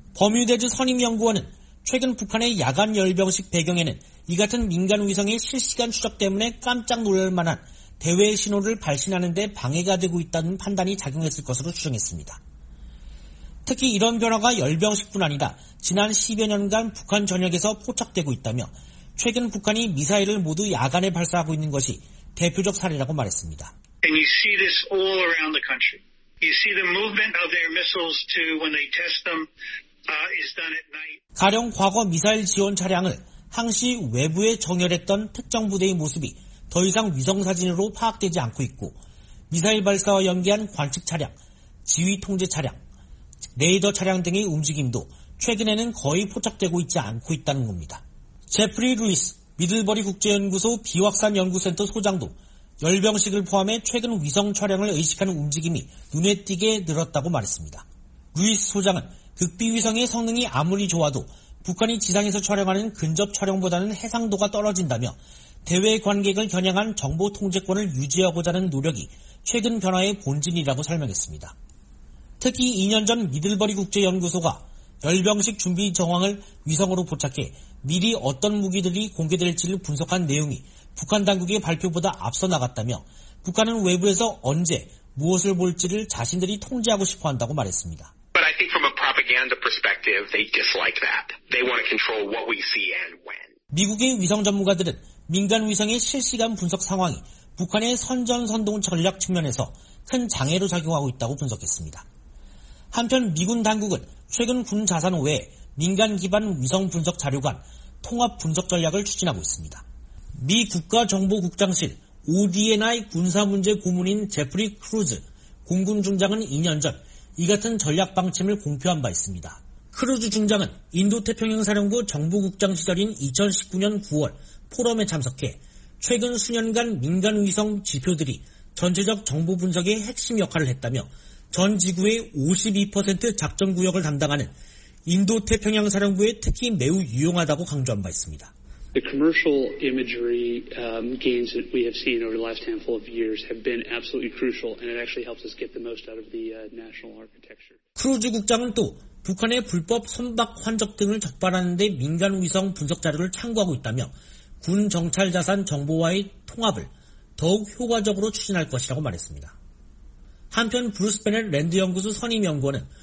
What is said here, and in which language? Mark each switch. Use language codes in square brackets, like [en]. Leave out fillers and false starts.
[ko] 버뮤데즈 선임연구원은 최근 북한의 야간 열병식 배경에는 이 같은 민간 위성의 실시간 추적 때문에 깜짝 놀랄 만한 대외 신호를 발신하는 데 방해가 되고 있다는 판단이 작용했을 것으로 추정했습니다. 특히 이런 변화가 열병식뿐 아니라 지난 10여 년간 북한 전역에서 포착되고 있다며 최근 북한이 미사일을 모두 야간에 발사하고 있는 것이 대표적 사례라고 말했습니다. [en] And you see this all around the country. You see the movement of their missiles to when they test them is done at night. [ko] 가령 과거 미사일 지원 차량을 항시 외부에 정렬했던 특정 부대의 모습이 더 이상 위성 사진으로 파악되지 않고 있고 미사일 발사와 연계한 관측 차량, 지휘 통제 차량, 레이더 차량 등의 움직임도 최근에는 거의 포착되고 있지 않고 있다는 겁니다. 제프리 루이스, 미들버리 국제연구소 비확산 연구센터 소장도 열병식을 포함해 최근 위성 촬영을 의식하는 움직임이 눈에 띄게 늘었다고 말했습니다. 루이스 소장은 극비위성의 성능이 아무리 좋아도 북한이 지상에서 촬영하는 근접 촬영보다는 해상도가 떨어진다며 대외 관객을 겨냥한 정보 통제권을 유지하고자 하는 노력이 최근 변화의 본질이라고 설명했습니다. 특히 2년 전 미들버리 국제연구소가 열병식 준비 정황을 위성으로 포착해 미리 어떤 무기들이 공개될지를 분석한 내용이 북한 당국의 발표보다 앞서 나갔다며 북한은 외부에서 언제 무엇을 볼지를 자신들이 통제하고 싶어 한다고 말했습니다. [en] But I think from a propaganda perspective, they dislike that. They want to control what we see and when. [ko] 미국의 위성 전문가들은 민간 위성의 실시간 분석 상황이 북한의 선전선동 전략 측면에서 큰 장애로 작용하고 있다고 분석했습니다. 한편 미군 당국은 최근 군 자산 외에 민간 기반 위성 분석 자료관 통합 분석 전략을 추진하고 있습니다. 미 국가정보국장실 ODNI 군사문제 고문인 제프리 크루즈 공군 중장은 2년 전 이 같은 전략 방침을 공표한 바 있습니다. 크루즈 중장은 인도태평양사령부 정보국장 시절인 2019년 9월 포럼에 참석해 최근 수년간 민간 위성 지표들이 전체적 정보 분석의 핵심 역할을 했다며 전 지구의 52% 작전 구역을 담당하는 인도태평양사령부에 특히 매우 유용하다고 강조한 바 있습니다. [en] The commercial imagery gains that we have seen over the last handful of years have been absolutely crucial and it actually helps us get the most out of the national architecture. [ko] 크루즈 국장은 또 북한의 불법 선박 환적 등을 적발하는 데 민간 위성 분석 자료를 참고하고 있다며 군 정찰 자산 정보와의 통합을 더욱 효과적으로 추진할 것이라고 말했습니다. 한편 브루스 베넷 랜드 연구소 선임연구원은